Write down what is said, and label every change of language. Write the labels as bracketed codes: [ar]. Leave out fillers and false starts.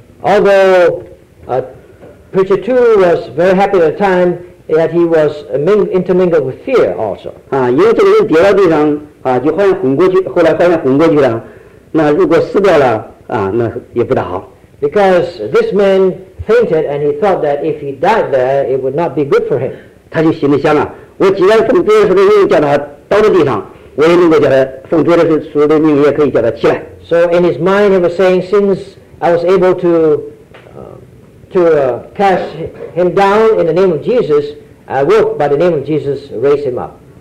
[en] Although Preacher Tu was very happy at the time, yet he was intermingled with fear also. [zh] 啊, 因为这个人跌到地上, 啊, 就好像昏过去, 后来好像昏过去了, 那如果死掉了, 啊, [en] because this man fainted and he thought that if he died there, it would not be good for him. [zh] 他就心里想啊, 我既然奉主耶稣的命叫他倒在地上，我也能够叫他奉主耶稣的命也可以叫他起来。 [en] So in his mind, he was saying, since I was able to cast him down in the name of Jesus, I will by the name of Jesus raise him up.